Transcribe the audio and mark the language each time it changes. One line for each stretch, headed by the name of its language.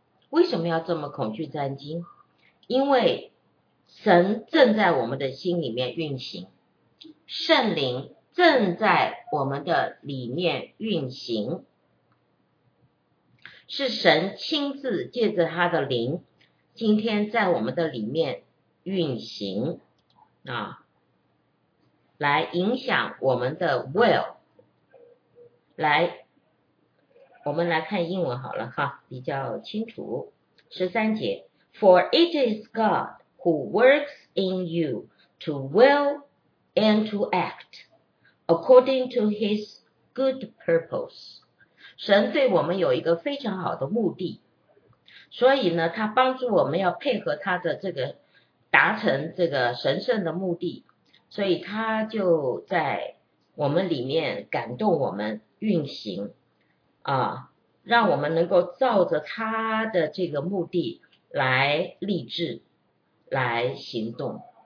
Chinese: 为什么要这么恐惧战兢？因为神正在我们的心里面运行，圣灵正在我们的里面运行，是神亲自借着他的灵今天在我们的里面运行啊，来影响我们的 will。来，我们来看英文好了哈，比较清楚。十三节，
English: For it is GodWho works in you to will and to act according to his good purpose.
Chinese: 神对我们有一个非常好的目的，所以呢，他帮助我们要配合他的这个达成这个神圣的目的，所以他就在我们里面感动我们运行啊，让我们能够照着他的这个目的来立志，来行动。